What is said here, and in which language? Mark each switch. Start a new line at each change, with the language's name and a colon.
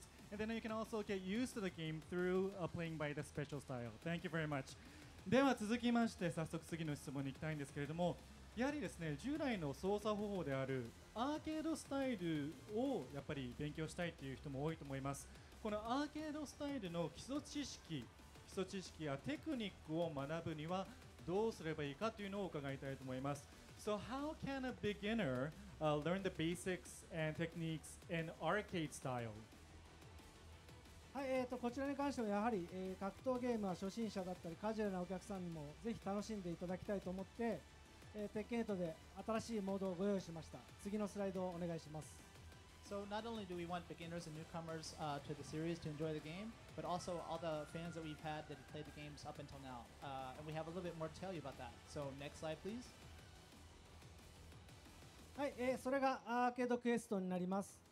English: And then you can also get used to the game through playing by the special style. Thank you very much.
Japanese: では続きまして早速次の質問に行きたいんですけれども、やはりですね従来の操作方法であるアーケードスタイルをやっぱり勉強したいという人も多いと思います。このアーケードスタイルの基礎知識やテクニックを学ぶにはどうすればいいかというのを伺いたいと思います。
English: So how can a beginner learn the basics and techniques in arcade style?
Japanese: はい、こちらに関してはやはり、格闘ゲームは初心者だったりカジュアルなお客さんにもぜひ楽しんでいただきたいと思って、鉄拳8で新しいモードをご用意しました。次のスライドをお願いします。
English: So not only do we want beginners and newcomers to the series to enjoy the game, but also all the fans that we've had that have played the games up until now. And we have a little bit more to tell you about that. So next slide, please.
Japanese: はい、それがアーケードクエストになります。